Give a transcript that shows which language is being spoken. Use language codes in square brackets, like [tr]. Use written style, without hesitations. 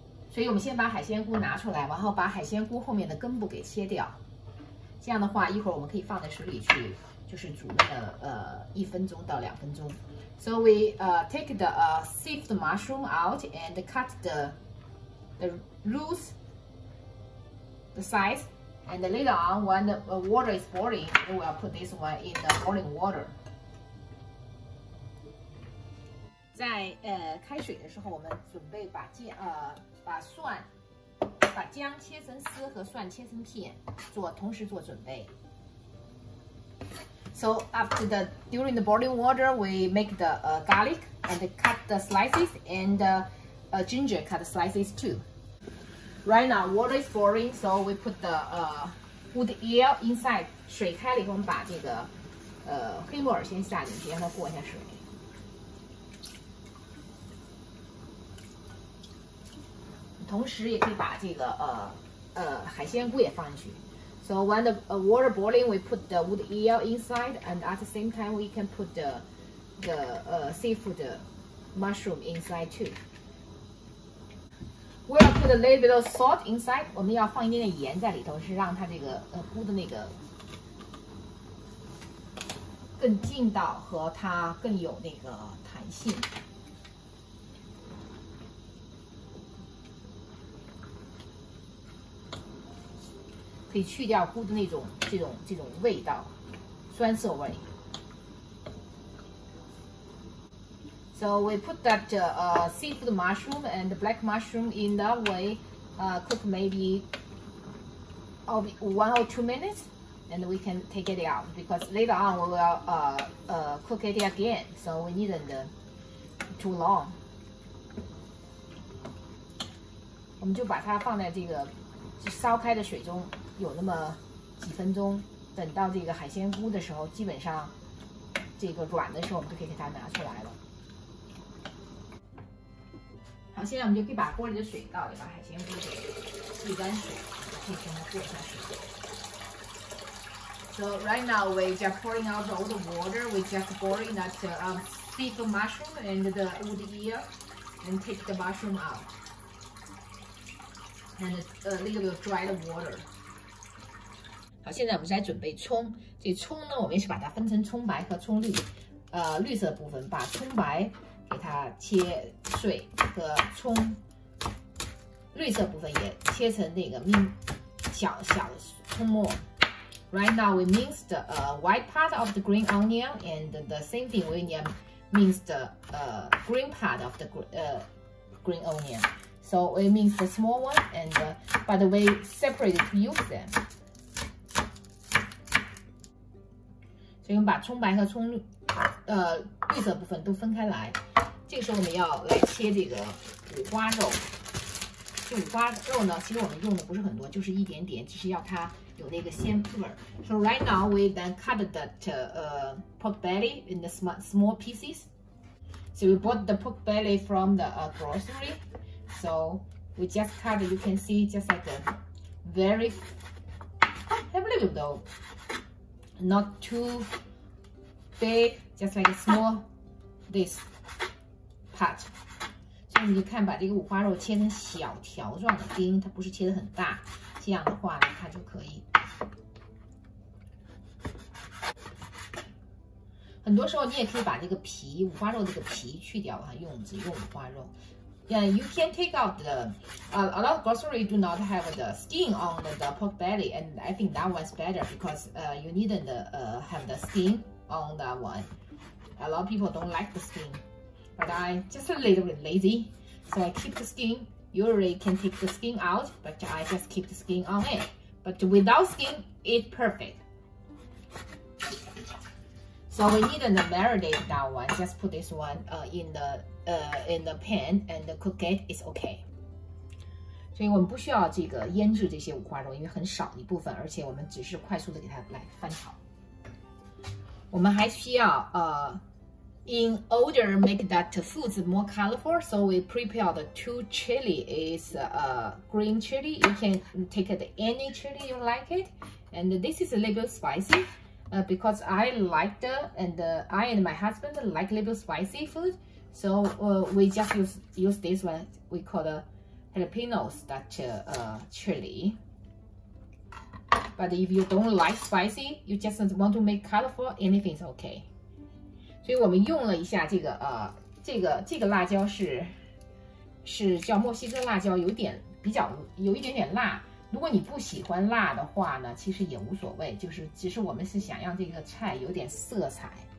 [zh] 所以我们先把海鲜菇拿出来，然后把海鲜菇后面的根部给切掉。这样的话，一会儿我们可以放在水里去，就是煮那个1分钟到2分钟。 [en] So we take the seafood mushroom out and cut the roots, the size, and later on when the water is boiling, we will put this one in the boiling water. [zh] 在开水的时候，我们准备把姜切成丝和蒜切成片，同时做准备。 [en] So after the during the boiling water, we make the garlic and cut the slices and ginger cut the slices too. Right now water is boiling, so we put the wood ear inside. [zh] 水开了以后，我们把这个黑木耳先下进去，让它过一下水。同时也可以把这个海鲜菇也放进去。 [en] So when the water boiling, we put the wood ear inside, and at the same time we can put the seafood mushroom inside too. We'll put a little bit of salt inside. [zh] 我们要放一点点盐在里头，是让它这个菇的那个更劲道和它更有那个弹性。可以去掉菇的那种这种味道，酸涩味。 [en] So we put that seafood mushroom and the black mushroom in that way, cook maybe of 1 or 2 minutes, and we can take it out because later on we will cook it again. So we needn't too long. [zh] 我们就把它放在这个烧开的水中。有那么几分钟，等到这个海鲜菇的时候，基本上这个软的时候，我们就可以给它拿出来了。好，现在我们就可以把锅里的水倒掉，把海鲜菇给沥干水，可以给它过一下水。 [en] So right now we just pouring out all the water. We just boiling that seafood mushroom and the wood ear, and take the mushroom out, and a little bit of dried water. [zh] 好，现在我们在准备葱。这葱呢，我们也是把它分成葱白和葱绿。绿色部分把葱白给它切碎，和葱绿色部分也切成那个小小的葱末。 [en] Right now we mince the white part of the green onion, and the same thing we need mince the green part of the green onion. So we mince the small one, and by the way, separate to use them. [zh] 所以我们把葱白和葱绿色部分都分开来。这个时候我们要来切这个五花肉。这五花肉呢，其实我们用的不是很多，就是一点点，只是要它有那个鲜味。 [en] So right now we then cut that pork belly in the small pieces. So we bought the pork belly from the grocery. So we just cut. You can see just like a very a little though, not too big, just like a small this part. [zh] 所以你就看，把这个五花肉切成小条状的丁，它不是切得很大，这样的话呢，它就可以。很多时候你也可以把这个皮，五花肉这个皮去掉啊，用只用五花肉。 [en] Yeah, you can take out the, a lot of grocery do not have the skin on the pork belly, and I think that one's better because you needn't have the skin on that one. A lot of people don't like the skin, but I just a little bit lazy, so I keep the skin. You already can take the skin out, but I just keep the skin on it. But without skin, it's perfect. So we needn't marinate that one, just put this one in the pan and cook it, it's okay. [zh] 所以我们不需要这个腌制这些五花肉，因为很少一部分，而且我们只是快速的给它来翻炒。我们还需要 [en] in order make that food more colorful, so we prepare the two chili is green chili. You can take it any chili you like it. And this is a little bit spicy. Because I like the, and I and my husband like a little bit spicy food. So we just use this one, we call the jalapenos, that chili. But if you don't like spicy, you just want to make colorful, anything's okay. [zh] 所以我们用了一下这个这个辣椒是叫墨西哥辣椒，有点比较有一点点辣。如果你不喜欢辣的话呢，其实也无所谓，就是其实我们是想让这个菜有点色彩。